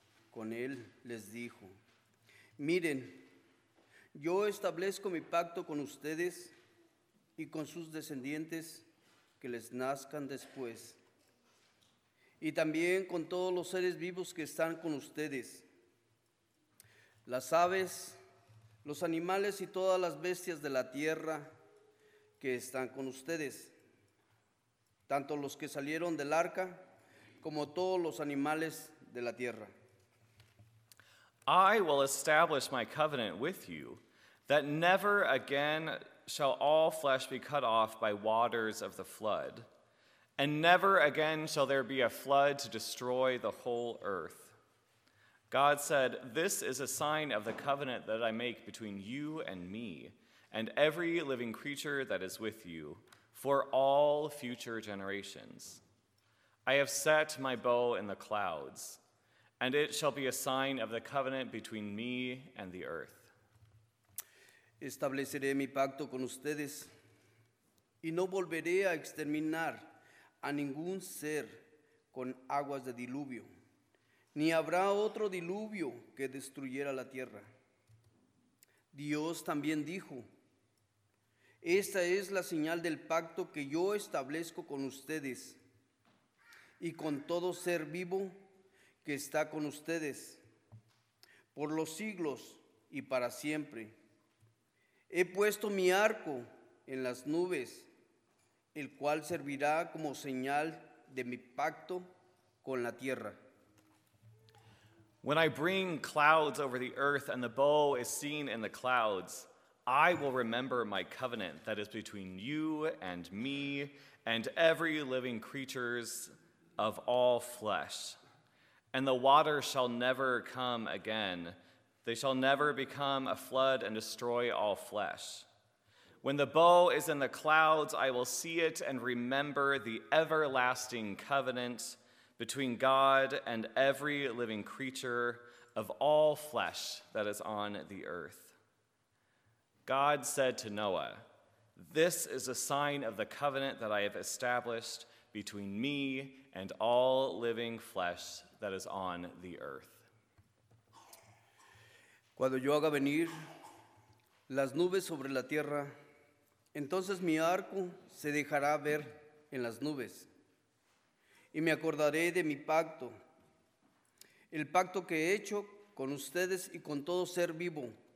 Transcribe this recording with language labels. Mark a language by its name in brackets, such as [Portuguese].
[Spanish] Con él les dijo: "Miren, yo establezco mi pacto con ustedes y con sus descendientes que les nazcan después, y también con todos los seres vivos que están con ustedes, las aves, los animales y todas las bestias de la tierra que están con ustedes, tanto los que salieron del arca como todos los animales de la tierra. [English] I will establish my covenant with you, that never again shall all flesh be cut off by waters of the flood, and never again shall there be a flood to destroy the whole earth. God said, this is a sign of the covenant that I make between you and me, and every living creature that is with you, for all future generations. I have set my bow in the clouds, and it shall be a sign of the covenant between me and the earth. [Spanish] Estableceré mi pacto con ustedes, y no volveré a exterminar a ningún ser con aguas de diluvio, ni habrá otro diluvio que destruyera la tierra. Dios también dijo: Esta es la señal del pacto que yo establezco con ustedes y con todo ser vivo que está con ustedes por los siglos y para siempre. He puesto mi arco en las nubes, el cual servirá como señal de mi pacto con la tierra. [English] When I bring clouds over the earth and the bow is seen in the clouds, I will remember my covenant that is between you and me and every living creatures of all flesh. And the water shall never come again. They shall never become a flood and destroy all flesh. When the bow is in the clouds, I will see it and remember the everlasting covenant between God and every living creature of all flesh that is on the earth. God said to Noah, "This is a sign of the covenant that I have established between me and all living flesh that is on the earth." [Spanish] Cuando yo haga venir las nubes sobre la tierra, entonces mi arco se dejará ver en las nubes, y me acordaré de mi pacto, el pacto que he hecho con ustedes y con todo ser vivo.